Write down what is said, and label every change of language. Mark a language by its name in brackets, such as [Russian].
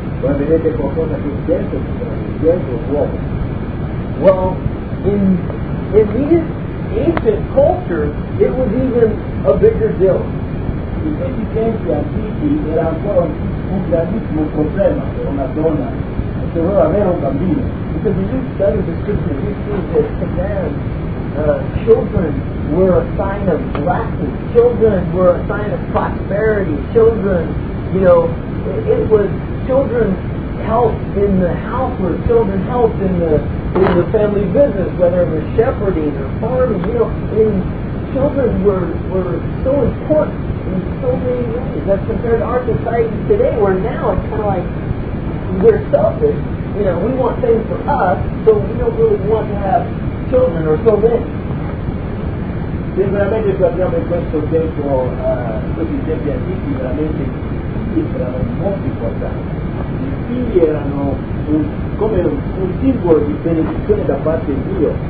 [Italian] Quando vedete qualcosa che è dentro, dentro l'uomo. [English] Well, in these ancient culture, it was even a bigger deal. [Italian] In questi tempi antichi era ancora un grandissimo problema per una donna se vuole avere un bambino. [English] Because you study the scriptures, you see that to them, children were a sign of blessing. Children were a sign of prosperity. Children, you know, it was children's help in the house or children's help in the family business, whether it was shepherding or farming. You know, and children were so important in so many ways. That's compared to our society today, where now it's kind of like we're selfish. You know, we want things for us, so we don't really want to have children or so many. [Italian] Se veramente guardiamo in questo tempo, questi tempi antichi, veramente erano molto importanti. I figli erano come un simbolo di benedizione da parte di Dio.